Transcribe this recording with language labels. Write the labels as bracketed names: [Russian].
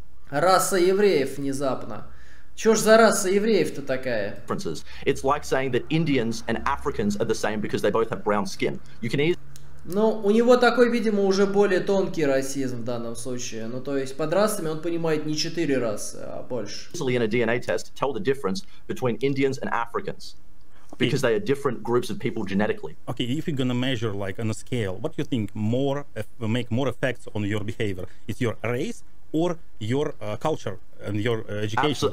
[Russian] Раса евреев внезапно. Чё ж за раса евреев-то такая? [English] Differences. It's like saying that Indians and Africans are the same because they both have brown skin. You can easily. [Russian] Ну, у него такой, видимо, уже более тонкий расизм в данном случае. Ну, то есть, под расами он понимает не четыре расы, а больше. [English] Easily in a DNA test tell the difference between Indians and Africans because they are different groups of people genetically. Okay, if you're gonna measure, like, on a scale, what do you think make more effects on your behavior? Is your race or your culture and your education.